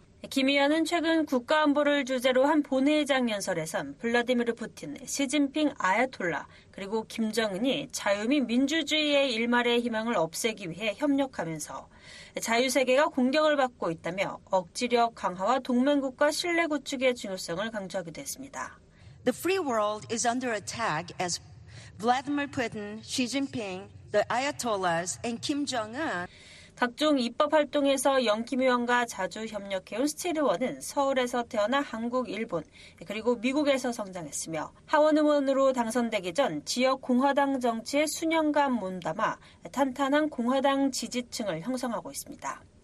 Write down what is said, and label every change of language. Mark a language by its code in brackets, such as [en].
[ko] 김 의원은 최근 국가안보를 주제로 한 본회의장 연설에선 블라디미르 푸틴, 시진핑 아야톨라, 그리고 김정은이 자유 및 민주주의의 일말의 희망을 없애기 위해 협력하면서 자유세계가 공격을 받고 있다며 억지력 강화와 동맹국과 신뢰 구축의 중요성을 강조하기도 했습니다. [en] The free world is under attack as Vladimir Putin, Xi Jinping, the Ayatollahs, and Kim Jong-un [ko] 각종 입법 활동에서 영킴 의원과 자주 협력해온 스틸의원은 서울에서 태어나 한국, 일본, 그리고 미국에서 성장했으며 하원 의원으로 당선되기 전 지역 공화당 정치에 수년간 몸담아 탄탄한 공화당 지지층을 형성하고 있습니다.